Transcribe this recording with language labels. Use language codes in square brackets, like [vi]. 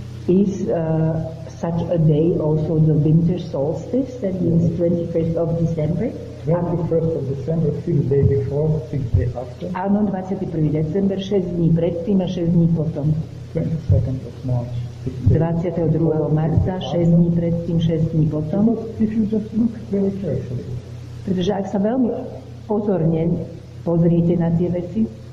[en] Is such a day also the winter solstice, that means 21st of December? 21st of December, 6 days before, 6 days after. [sk] Áno, 21. december, 6 dní predtým a 6 dní potom. [en] 22nd of March, [sk] 22. marca, 6 dní predtým, 6 dní potom. [en] If you just look very carefully. [sk] Pretože ak sa veľmi pozorne pozriete na tie veci.